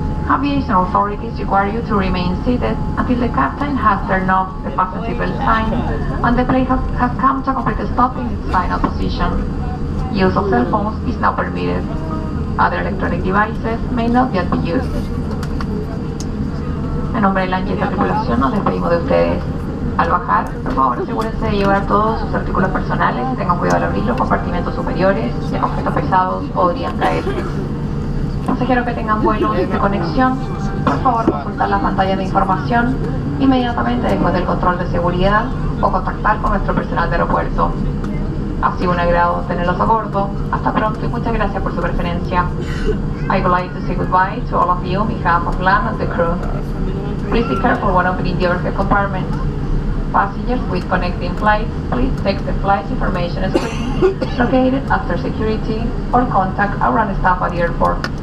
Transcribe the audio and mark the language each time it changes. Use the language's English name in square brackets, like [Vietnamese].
[English] Aviation authorities require you to remain seated until the captain has turned off the passenger seatbelt sign and the plane has come to a complete stop in its final position. Use of cell phones is not permitted. Other electronic devices may not yet be used. [Spanish] En nombre de la ancha tripulación, nos despedimos de ustedes. Al bajar, por favor, asegúrense de llevar todos sus artículos personales y tengan cuidado al abrir los compartimentos superiores, ya que objetos pesados podrían caer. Consejero que tengan vuelos de conexión, por favor, consultar la pantalla de información inmediatamente después del control de seguridad o contactar con nuestro personal de aeropuerto. Ha sido un agrado tenerlos a bordo. Hasta pronto y muchas gracias por su preferencia. [English] I would like to say goodbye to all of you on behalf of LAN and the crew. Please be careful when opening the overhead compartment. Passengers with connecting flights, please check the flight information screen located after security or contact our ground staff at the airport.